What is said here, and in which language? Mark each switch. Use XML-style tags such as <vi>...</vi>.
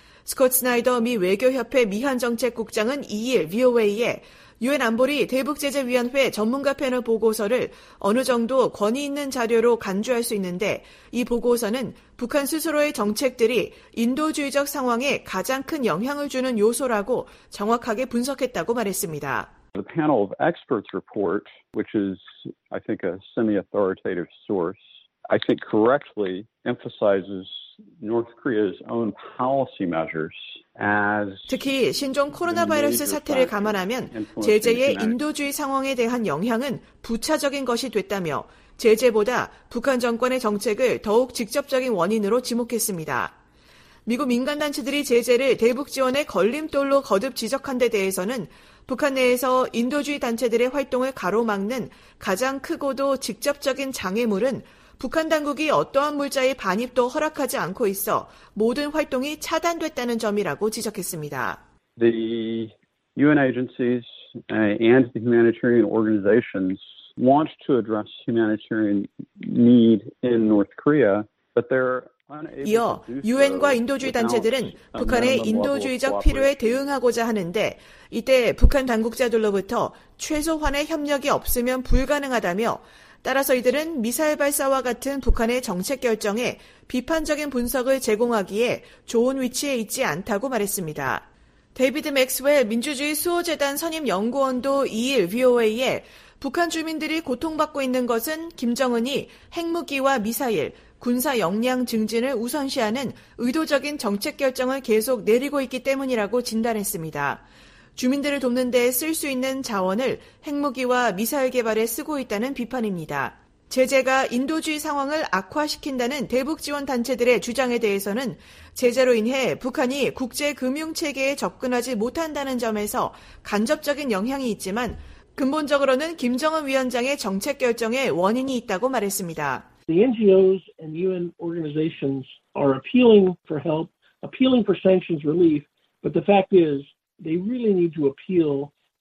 <ko>스콧 스나이더 미 외교협회 미한정책국장은 2일 VOA에 유엔 안보리 대북제재위원회 전문가 패널 보고서를 어느 정도 권위 있는 자료로 간주할 수 있는데 이 보고서는 북한 스스로의 정책들이 인도주의적 상황에 가장 큰 영향을 주는 요소라고 정확하게 분석했다고 말했습니다.</ko> <en>The panel of experts report, which is, I think, a semi-authoritative source, I think correctly emphasizes North Korea's own policy measures.</en> <ko>특히 신종 코로나 바이러스 사태를 감안하면 제재의 인도주의 상황에 대한 영향은 부차적인 것이 됐다며 제재보다 북한 정권의 정책을 더욱 직접적인 원인으로 지목했습니다. 미국 민간단체들이 제재를 대북 지원의 걸림돌로 거듭 지적한 데 대해서는 북한 내에서 인도주의 단체들의 활동을 가로막는 가장 크고도 직접적인 장애물은 북한 당국이 어떠한 물자의 반입도 허락하지 않고 있어 모든 활동이 차단됐다는 점이라고 지적했습니다.</ko> <en>The UN agencies and the humanitarian organizations want to address humanitarian need in North Korea, but they're</en> <ko>이어 유엔과 인도주의 단체들은 북한의 인도주의적 필요에 대응하고자 하는데 이때 북한 당국자들로부터 최소한의 협력이 없으면 불가능하다며 따라서 이들은 미사일 발사와 같은 북한의 정책 결정에 비판적인 분석을 제공하기에 좋은 위치에 있지 않다고 말했습니다. 데이비드 맥스웰 민주주의 수호재단 선임 연구원도 2일 VOA에 북한 주민들이 고통받고 있는 것은 김정은이 핵무기와 미사일, 군사 역량 증진을 우선시하는 의도적인 정책 결정을 계속 내리고 있기 때문이라고 진단했습니다. 주민들을 돕는 데 쓸 수 있는 자원을 핵무기와 미사일 개발에 쓰고 있다는 비판입니다. 제재가 인도주의 상황을 악화시킨다는 대북 지원 단체들의 주장에 대해서는 제재로 인해 북한이 국제 금융 체계에 접근하지 못한다는 점에서 간접적인 영향이 있지만 근본적으로는 김정은 위원장의 정책 결정에 원인이 있다고 말했습니다.</ko> <en>The NGOs and UN organizations are appealing for help, appealing for sanctions relief, but the fact is they really need to appeal</en>